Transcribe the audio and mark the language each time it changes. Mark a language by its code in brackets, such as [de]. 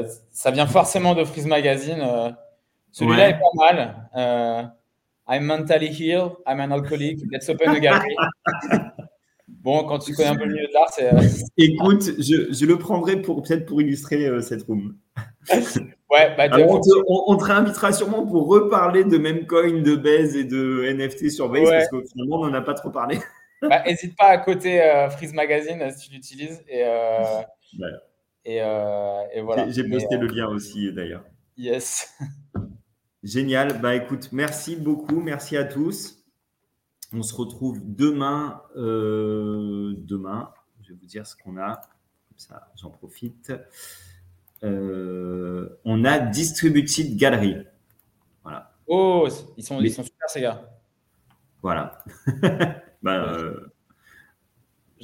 [fr] Ça vient forcément de Freeze Magazine. Celui-là est pas mal. [en] I'm mentally ill, I'm an alcoholic, let's open a gallery. [fr] quand tu connais un peu le milieu de l'art, c'est… Écoute, je le prendrai pour illustrer cette room. Ouais, On te réinvitera sûrement pour reparler de Memecoin, de Baze et de NFT sur Baze, parce que finalement, on n'en a pas trop parlé. N'hésite pas à côté Freeze Magazine si tu l'utilises. J'ai posté le lien aussi d'ailleurs. [en] Yes. [fr] Génial. Écoute, merci beaucoup. Merci à tous. On se retrouve demain. Je vais vous dire ce qu'on a. Comme ça, j'en profite. On a Distributed Gallery. Voilà. Oh, ils sont super, ces gars. Voilà. j'adore leur travail. Bah écoute, merci beaucoup. Et puis, et ben donc à demain et [en] good morning.